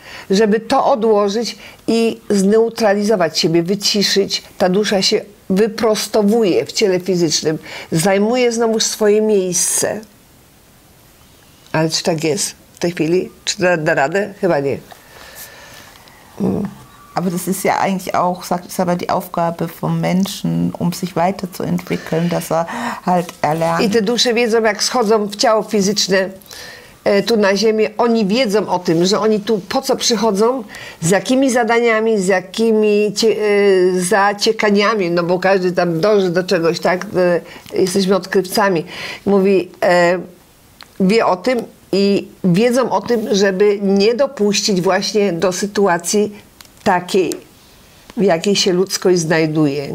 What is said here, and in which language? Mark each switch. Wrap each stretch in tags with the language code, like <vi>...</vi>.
<pl>Żeby to odłożyć i zneutralizować siebie, wyciszyć, ta dusza się wyprostowuje w ciele fizycznym, zajmuje znowu swoje miejsce. Ale czy tak jest w tej chwili? Czy da radę? Chyba nie.</pl> <de>Aber das ist ja eigentlich auch, sagt es aber, die Aufgabe vom Menschen, um sich weiterzuentwickeln, dass er halt erlernt.</de> <pl>I te dusze wiedzą, jak schodzą w ciało fizyczne, tu na Ziemi, oni wiedzą o tym, że oni tu po co przychodzą, z jakimi zadaniami, z jakimi zaciekaniami, no bo każdy tam dąży do czegoś, tak? Jesteśmy odkrywcami. Mówi, wie o tym i wiedzą o tym, żeby nie dopuścić właśnie do sytuacji takiej, w jakiej się ludzkość znajduje.</pl>